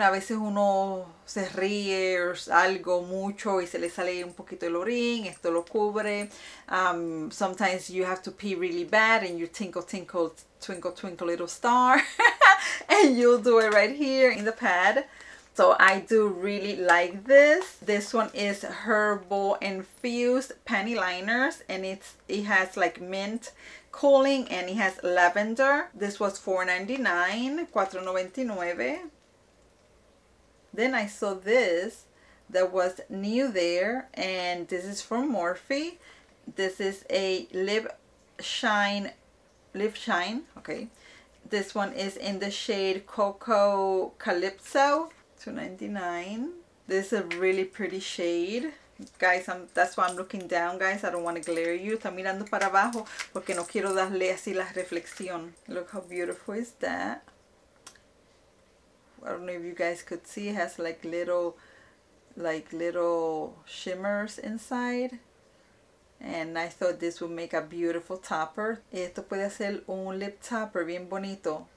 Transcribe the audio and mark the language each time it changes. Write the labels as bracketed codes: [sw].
[es] A veces uno se ríe o algo mucho y se le sale un poquito el orín. Esto lo cubre. [en] Sometimes you have to pee really bad and you tinkle, tinkle, twinkle, twinkle, little star. And you'll do it right here in the pad. So I do really like this. This one is Herbal Infused Panty Liners. And it has like mint cooling and it has lavender. This was $4.99. Then I saw this that was new there, and this is from Morphe. This is a lip shine. Okay, this one is in the shade Coco Calypso. $2.99. This is a really pretty shade. Guys, that's why I'm looking down, guys. I don't want to glare you. [es] Está mirando para abajo porque no quiero darle así la reflexión. [en] Look how beautiful is that. I don't know if you guys could see. It has like little shimmers inside. And I thought this would make a beautiful topper. [es] Esto puede hacer un lip topper bien bonito.